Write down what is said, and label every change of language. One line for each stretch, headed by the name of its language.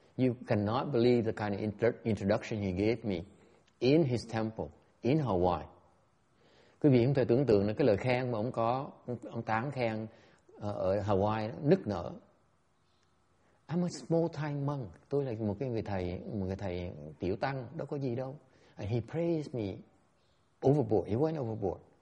English: You cannot believe the kind of introduction he gave me in his temple in Hawaii.
Vietnamese: Quý vị không thể tưởng tượng được cái lời khen mà ông có, ông tán khen ở Hawaii đó, nức nở.
English: I'm a small time monk.
Vietnamese: Tôi là một người thầy tiểu tăng, đâu có gì đâu.
English: And he praised me overboard. He went overboard.